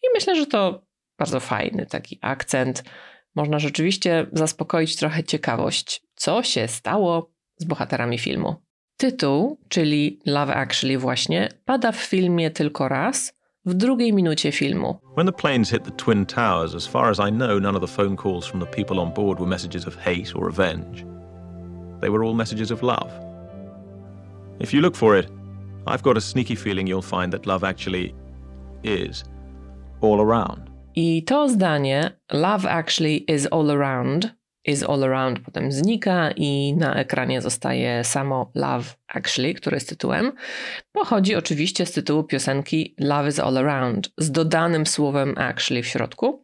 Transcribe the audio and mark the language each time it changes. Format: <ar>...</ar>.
<pl>I myślę, że to bardzo fajny taki akcent. Można rzeczywiście zaspokoić trochę ciekawość, co się stało z bohaterami filmu. Tytuł, czyli Love Actually właśnie, pada w filmie tylko raz, w drugiej minucie filmu.</pl> <en>When the planes hit the Twin Towers, as far as I know, none of the phone calls from the people on board were messages of hate or revenge. They were all messages of love. If you look for it, I've got a sneaky feeling you'll find that love actually is all around.</en> <pl>I to zdanie,</pl> <en>love actually is all around</en> <pl>potem znika i na ekranie zostaje samo Love Actually, który jest tytułem, pochodzi oczywiście z tytułu piosenki Love is All Around z dodanym słowem actually w środku.</pl>